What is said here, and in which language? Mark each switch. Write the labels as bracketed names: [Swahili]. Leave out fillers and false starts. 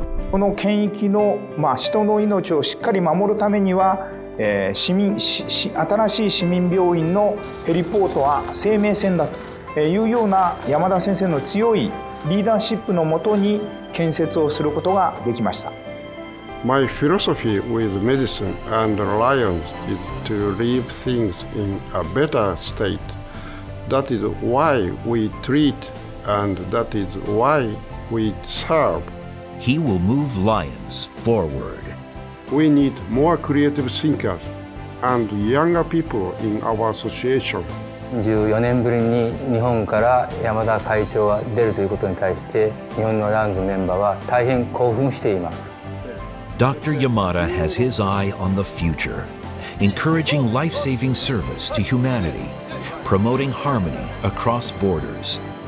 [Japanese] この県域の、まあ、人の命をしっかり守るためには、新しい市民病院のヘリポートは生命線だというような山田先生の強いリーダーシップのもとに建設をすることができました。 [English] My philosophy with medicine and Lions is to leave things in a better state. That is why we treat and that is why we serve. He will move Lions forward. We need more creative thinkers and younger people in our association. [Japanese] 14年ぶりに日本から山田会長が出るということに対して、日本のLionsメンバーは大変興奮しています。 [English] Dr. Yamada has his eye on the future, encouraging life-saving service to humanity, promoting harmony across borders.